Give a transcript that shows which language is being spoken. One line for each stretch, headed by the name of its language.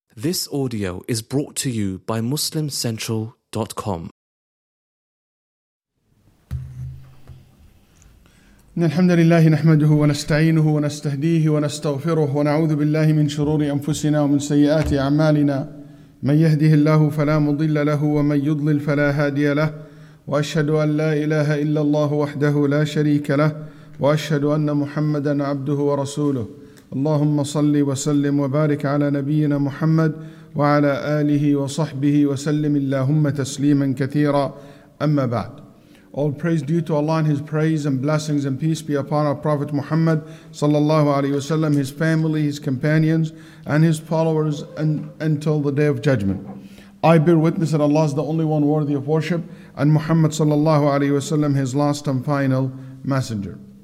English: This audio is brought to you by MuslimCentral.com.
Arabic: إن الحمد لله نحمده ونستعينه ونستهديه ونستغفره ونعوذ بالله من شرور أنفسنا ومن سيئات أعمالنا من يهده الله فلا مضل له ومن يضلل فلا هادي له وأشهد أن لا إله إلا الله وحده لا شريك له وأشهد أن محمدا عبده ورسوله اللهم صل وسلم وبارك على نبينا محمد وعلى آله وصحبه وسلم اللهم تسليما كثيرا أما بعد.
English: All praise due to Allah and His praise and blessings and peace be upon our Prophet Muhammad sallallahu alaihi wasallam, his family, his companions, and his followers until the day of judgment. I bear witness that Allah is the only one worthy of worship, and Muhammad sallallahu alaihi wasallam, his last and final messenger.